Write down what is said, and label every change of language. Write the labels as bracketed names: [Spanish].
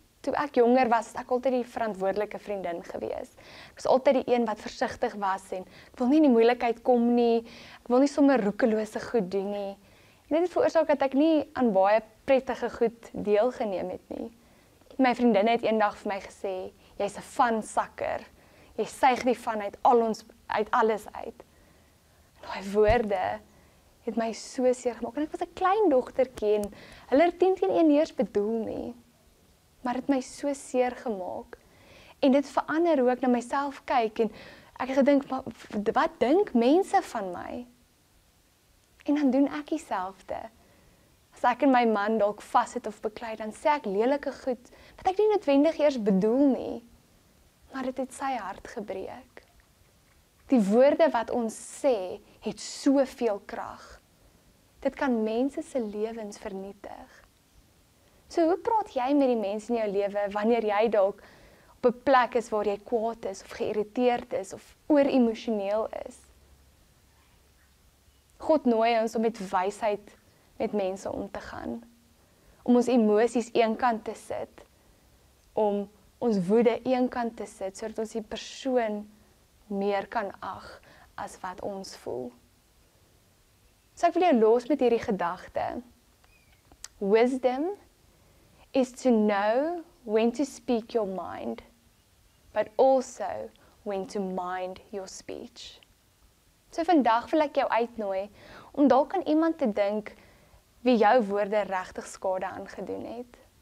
[Afrikaans] Toe ek jonger was, ek altyd die verantwoordelike vriendin gewees. Ek was altyd die een wat versigtig was en ek wil nie in die moeilikheid kom nie. Ek wil nie sommer roekelose goed doen nie. En dit het veroorsaak dat ek nie aan baie prettige goed deelgeneem het nie. My vriendin het eendag vir my gesê, jy's 'n vansakker. Jy suig die van uit al ons uit alles uit. Daai woorde het my so seer gemaak en ek was 'n klein dogtertjie en hulle het teen een neers bedoel nie. Maar het my so seer gemaak. En dit verander hoe ek na myself kyk en ek het gedink wat dink mense van my? En dan doen ek dieselfde. As ek en my man dalk vas sit of beklei, dan sê ek lelike goed wat ek nie noodwendig eers bedoel nie. Maar dit het sy hart gebreek. Die woorde wat ons sê, het soveel krag. Dit kan mense se lewens vernietig. So, hoe praat jy met die mense in jou lewe wanneer jy dalk op 'n plek is waar jy kwaad is of geïrriteerd is of oor-emosioneel is? God nooi ons om met wysheid met mense om te gaan. Om ons emosies eenkant te sit. Om ons woede eenkant te sit sodat ons die persoon meer kan ag as wat ons voel. So, ek wil jou los met hierdie gedagte. [English] Wisdom is to know when to speak your mind, but also when to mind your speech. [Afrikaans] So vandag wil ek jou uitnooi om dalk aan iemand te dink wie jou woorde regtig skade aangedoen het.